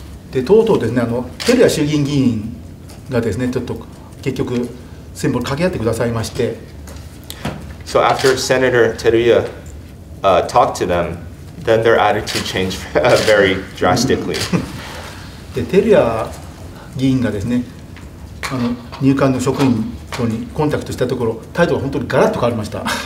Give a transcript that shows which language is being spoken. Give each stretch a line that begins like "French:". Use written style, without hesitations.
Japanese: で、とうとうですね、テルヤ衆議院議員がですね、ちょっと結局全部掛け合ってくださいまして。
English: So after Senator Teruya talked to them, then their attitude changed very drastically.
Japanese: で、テルヤ議員がですね、入管の職員とにコンタクトしたところ、態度が本当にガラッと変わりました。